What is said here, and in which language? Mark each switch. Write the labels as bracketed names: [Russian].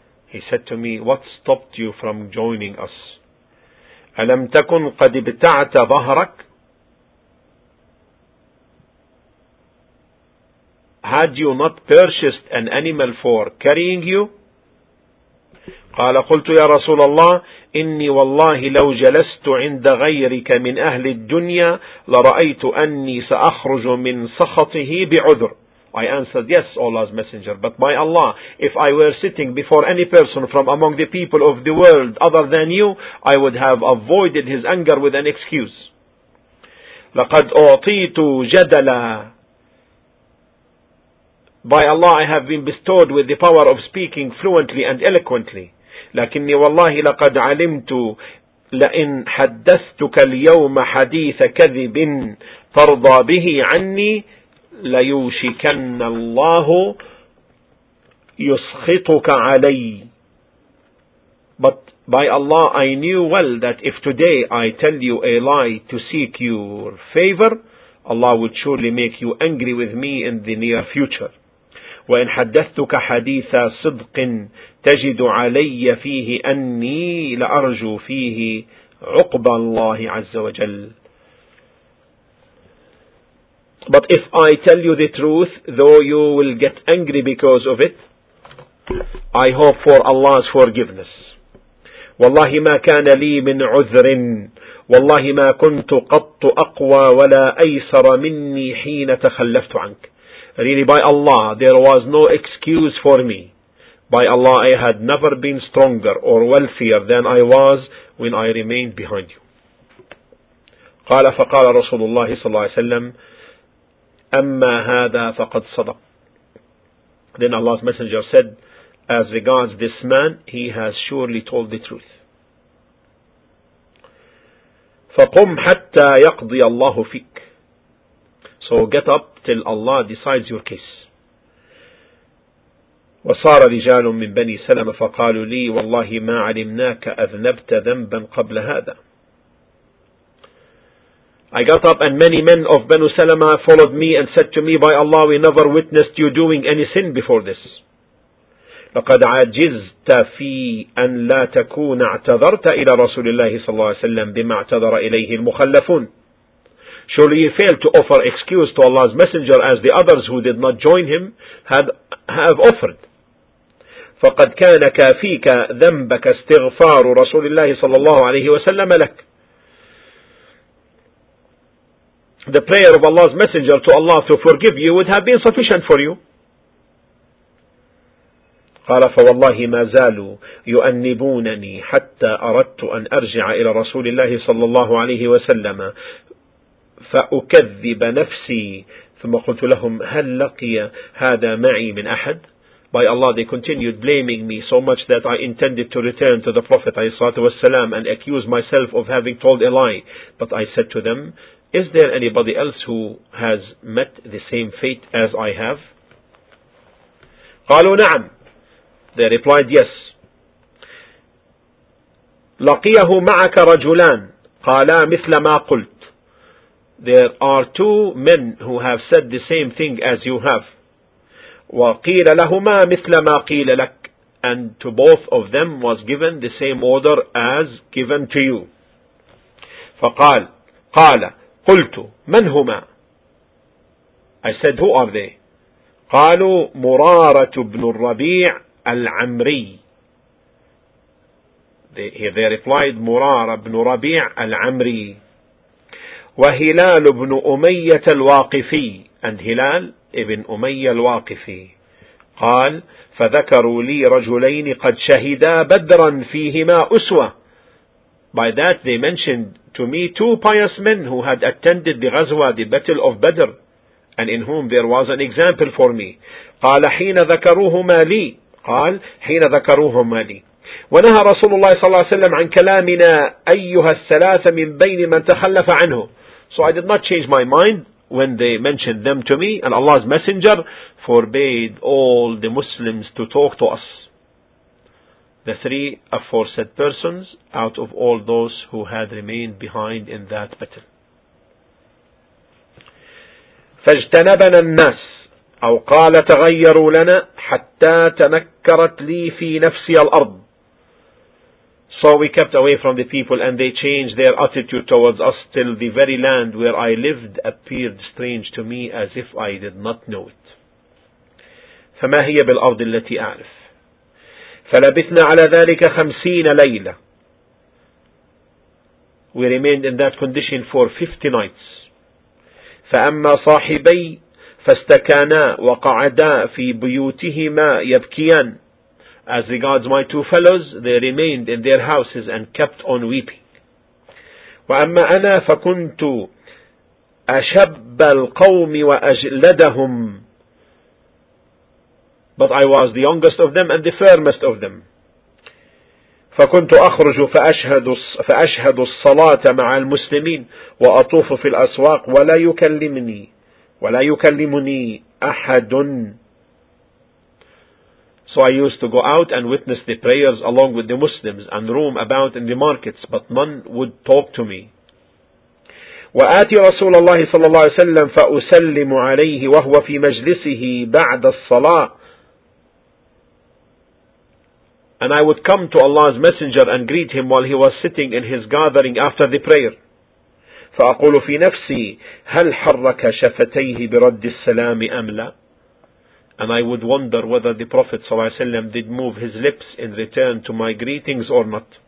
[English] He said to me, what stopped you from joining us? [Arabic] ألم تكن قد ابتعت ظهرك. [English] Had you not purchased an animal for carrying you? [Arabic] قال قلت يا رسول الله إني والله لو جلست عند غيرك من أهل الدنيا لرأيت أني سأخرج من سخطه بعذر. [English] I answered, yes, Allah's Messenger, but by Allah, if I were sitting before any person from among the people of the world other than you, I would have avoided his anger with an excuse. [Arabic] لقد أعطيت جدلا. [English] By Allah, I have been bestowed with the power of speaking fluently and eloquently. [Arabic] لكني والله لقد علمت لئن حدثتك اليوم حديث كذب ترضى به عني ليوشكن الله يسخطك علي. [English] But by Allah, I knew well that if today I tell you a lie to seek your favor, Allah would surely make you angry with me in the near future. [Arabic] وإن حدثتك حديث صدق تجد علي فيه أني لأرجو فيه عقب الله عز وجل. [English] But if I tell you the truth, though you will get angry because of it, I hope for Allah's forgiveness. [Arabic] والله ما كان لي من عذر والله ما كنت قط أقوى ولا أيسر مني حين تخلفت عنك. [English] Really, by Allah, there was no excuse for me. By Allah, I had never been stronger or wealthier than I was when I remained behind you. [Arabic] قال فقال رسول الله صلى الله عليه وسلم أما هذا فقد صدق. [English] Then Allah's Messenger said, as regards this man, he has surely told the truth. [Arabic] فقم حتى يقضي الله فيك. [English] So get up till Allah decides your case. [Arabic] وصار رجال من بني سلمة فقالوا لي والله ما علمناك أذنبت ذنبا قبل هذا. [English] I got up and many men of Banu Salama followed me and said to me, by Allah, we never witnessed you doing any sin before this. [Arabic] لقد عجزت في أن لا تكون اعتذرت إلى رسول الله صلى الله عليه وسلم بما اعتذر إليه المخلفون. [English] Surely you failed to offer excuse to Allah's Messenger as the others who did not join him have offered. [Arabic] فقد كان كافيك ذنبك استغفار رسول الله صلى الله عليه وسلم لك. [English] The prayer of Allah's Messenger to Allah to forgive you would have been sufficient for you. [Arabic] قال فوالله ما زالوا يؤنبونني حتى أردت أن أرجع إلى رسول الله صلى الله عليه وسلم فأكذب نفسي ثم قلت لهم هل لقي هذا معي من أحد. [English] By Allah, they continued blaming me so much that I intended to return to the Prophet والسلام, and accuse myself of having told a lie. But I said to them, is there anybody else who has met the same fate as I have? [Arabic] قالوا نعم. [English] They replied, yes. [Arabic] لقيه معك رجلان قالا مثل ما قلت. [English] There are two men who have said the same thing as you have. [Arabic] وقيل لهما مثل ما قيل لك. [English] And to both of them was given the same order as given to you. [Arabic] فقال قال قلت من هما. [English] I said, who are they? [Arabic] قالوا مرارة بن الربيع العمري. [English] They replied, مرارة بن ربيع العمري وهلال بن أمية الواقفي. [Arabic] And هلال ابن أمية الواقفي. قال فذكروا لي رجلين قد شهدا بدرا فيهما أسوة. [English] By that they mentioned to me two pious men who had attended the Ghazwa, the battle of Badr, and in whom there was an example for me. [Arabic] قال حين ذكروهما لي. قال حين ذكروهما لي. ونهى رسول الله صلى الله عليه وسلم عن كلامنا أيها الثلاثة من بين من تخلف عنه. [English] So I did not change my mind when they mentioned them to me, and Allah's Messenger forbade all the Muslims to talk to us, the three aforesaid persons, out of all those who had remained behind in that battle. [Arabic] فاجتنبنا الناس أو قال تغيروا لنا حتى تنكرت لي في نفسي الأرض. [English] So we kept away from the people and they changed their attitude towards us till the very land where I lived appeared strange to me as if I did not know it. [Arabic] فما هي بالأرض التي أعرف. فلبثنا على ذلك 50 ليلة. [English] We remained in that condition for 50 nights. [Arabic] فأما صاحبي فاستكانا وقعدا في بيوتهما يبكيان. [English] As regards my two fellows, they remained in their houses and kept on weeping. [Arabic] وَأَمَّا أَنَا فَكُنْتُ أَشَبَّ الْقَوْمِ وَأَجْلَدَهُمْ. [English] But I was the youngest of them and the firmest of them. [Arabic] فَكُنْتُ أَخْرُجُ فَأَشْهَدُ الصَّلَاةَ مَعَ الْمُسْلِمِينَ وَأَطُوفُ فِي الْأَسْوَاقِ وَلَا يُكَلِّمُنِي أَحَدٌ. [English] So I used to go out and witness the prayers along with the Muslims and roam about in the markets, but none would talk to me. [Arabic] وآتي رسول الله صلى الله عليه وسلم فأسلم عليه وهو في مجلسه بعد الصلاة. [English] And I would come to Allah's Messenger and greet him while he was sitting in his gathering after the prayer. [Arabic] فأقول في نفسي هل حرك شفتيه برد السلام أم لا. [English] And I would wonder whether the Prophet ﷺ did move his lips in return to my greetings or not.